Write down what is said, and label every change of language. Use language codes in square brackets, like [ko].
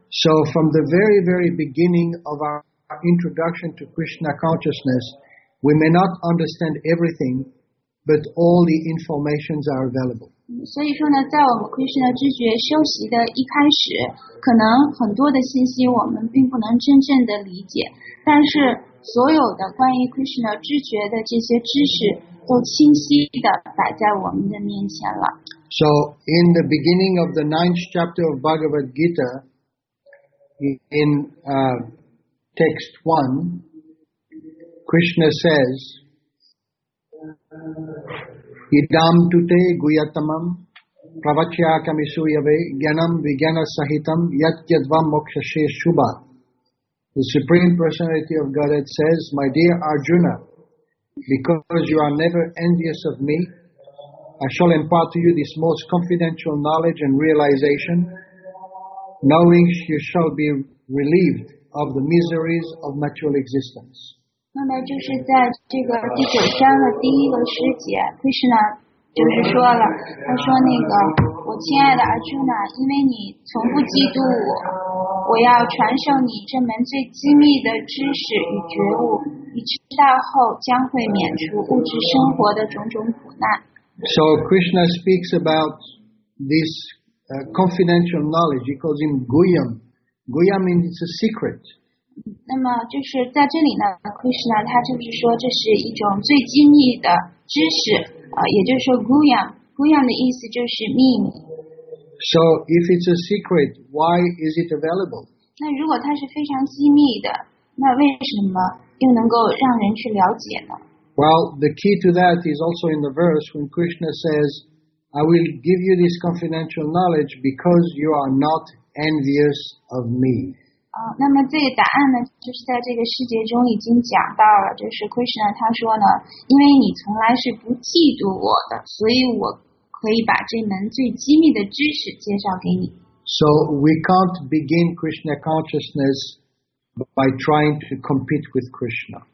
[en] So from the very, very beginning of our introduction to Krishna consciousness, we may not understand everything,But all the informations are available. [zh] 所以说呢，在我们 Krishna 知觉修习的一开始，可能很多的信息我们并不能真正的理解，但是所有的关于 Krishna 知觉的这些知识都清晰的摆在我们的面前了。 [en] So in the beginning of the ninth chapter of Bhagavad Gita, in text 1, Krishna says, [sa] Idam tute guyatamam pravachya kamisu yave gyanam vigyana sahitam yat yadva mokshashe shubha. [en] The Supreme Personality of Godhead says, My dear Arjuna, because you are never envious of me, I shall impart to you this most confidential knowledge and realization, knowing you shall be relieved of the miseries of material existence. [zh] 那么就是在这个第九章的第一个诗节 ，Krishna 就是说了，他说那个我亲爱的 Arjuna， 因为你从不嫉妒我，我要传授你这门最机密的知识与觉悟，你知道后将会免除物质生活的种种苦难。 [en] So Krishna speaks about this confidential knowledge. He calls him Guyam. Guyam means it's a secret. [zh] 那么就是在这里呢 ，Krishna 他就是说这是一种最机密的知识啊、也就是说 Guyam 的意思就是秘密。 [en] So if it's a secret, why is it available? [zh] 那如果它是非常机密的，那为什么又能够让人去了解呢 [en] ？Well, the key to that is also in the verse when Krishna says, "I will give you this confidential knowledge because you are not envious of me." [zh] 那么这个答案呢，就是在这个世界中已经讲到了，就是 Krishna 他说呢，因为你从来是不嫉妒我的，所以我可以把这门最机密的知识介绍给你。 [en] So we can't begin Krishna consciousness by trying to compete with Krishna.